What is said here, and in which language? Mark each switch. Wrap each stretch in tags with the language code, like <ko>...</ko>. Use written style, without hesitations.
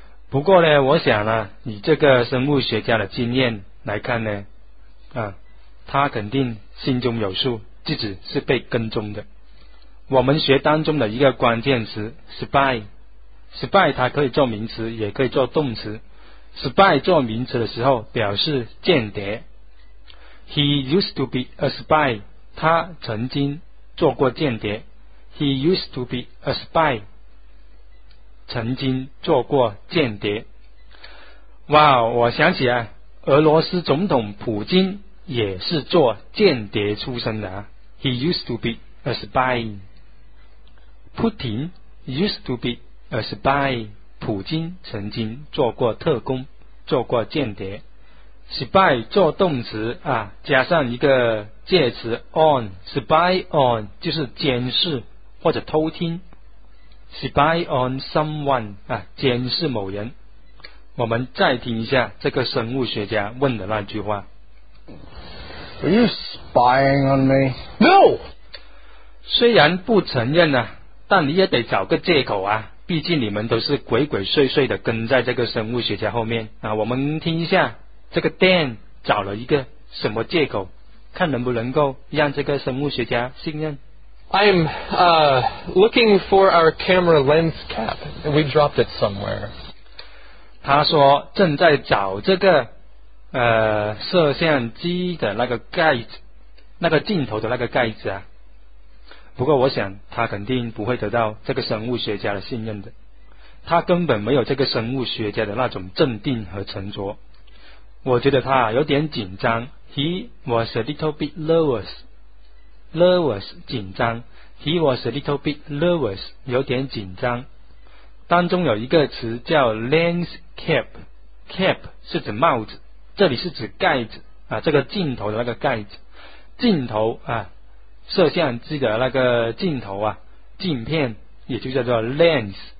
<zh>不过呢，我想呢，以这个生物学家的经验来看呢，他肯定心中有数，自己是被跟踪的。我们学当中的一个关键词 spy， spy 它可以做名词也可以做动词。 spy 做名词的时候表示间谍。</zh> <en>He used to be a spy，</en> <zh>他曾经做过间谍。</zh> <en>He used to be a spy，</en> <zh>曾经做过间谍。哇，我想起来，俄罗斯总统普京也是做间谍出身的啊。</zh> <en>He used to be a spy。 Putin used to be a spy，</en> <zh>普京曾经做过特工，做过间谍。 spy 做动词啊，加上一个介词 on， spy on 就是监视或者偷听。</zh> <en>spy on someone</en> <zh>啊，监视某人。我们再听一下这个生物学家问的那句话。</zh> <en>Are you spying on me? No!</en> <zh>虽然不承认啊，但你也得找个借口啊，毕竟你们都是鬼鬼祟祟的跟在这个生物学家后面啊。我们听一下这个 Dan 找了一个什么借口，看能不能够让这个生物学家信任。</zh> <en>I'm looking for our camera lens cap. We dropped it somewhere.</en> <zh>他说正在找这个摄像机的那个盖子，那个镜头的那个盖子啊。不过我想他肯定不会得到这个生物学家的信任的，他根本没有这个生物学家的那种镇定和沉着。我觉得他有点紧张。</zh> <en>He was a little bit nervous. Nervous 紧张。 He was a little bit nervous，</en> <zh>有点紧张。当中有一个词叫 lens cap， cap 是指帽子，这里是指盖子啊，这个镜头的那个盖子，镜头啊，摄像机的那个镜头啊，镜片也就叫做 lens。</zh>